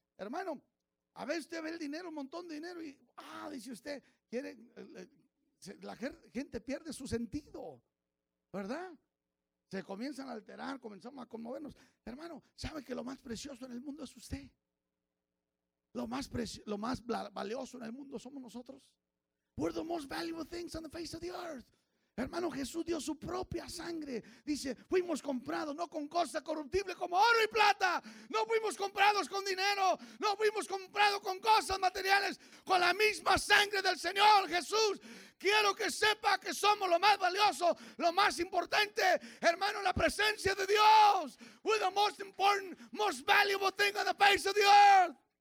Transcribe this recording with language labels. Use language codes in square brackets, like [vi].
[es] Hermano, a ver, usted ve el dinero, un montón de dinero y, dice usted, quiere, la gente pierde su sentido, ¿verdad? Se comienzan a alterar, comenzamos a conmovernos. Hermano, ¿sabe que lo más precioso en el mundo es usted? Lo más valioso en el mundo somos nosotros. [en] We're the most valuable things on the face of the earth. [es] Hermano, Jesús dio su propia sangre. Dice, fuimos comprados no con cosa corruptible como oro y plata. No fuimos comprados con dinero. No fuimos comprados con cosas materiales. Con la misma sangre del Señor Jesús. Quiero que sepa que somos lo más valioso, lo más importante. Hermano, la presencia de Dios. [en] We're the most important, most valuable thing on the face of the earth.